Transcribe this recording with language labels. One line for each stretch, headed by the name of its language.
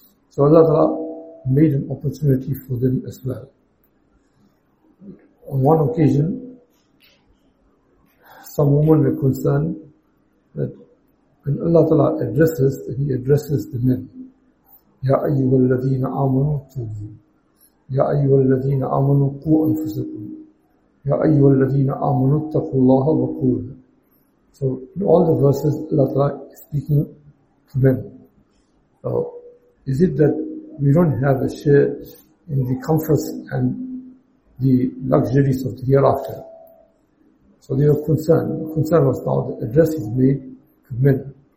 English: So Allah Ta'ala made an opportunity for them as well. On one occasion, some women were concerned that when Allah Ta'ala addresses, he addresses the men.
Arabic: Ya ayyuhal ladheena amanu tubu. يا أيها الذين آمنوا قوا أنفسكم يا أيها الذين آمنوا اتقوا الله وقولوا.
English: So in all the verses Allah Ta'ala is speaking to men. Is it that we don't have a share in the comforts and the luxuries of the hereafter? So they were concerned. The concern was now the address is made to men.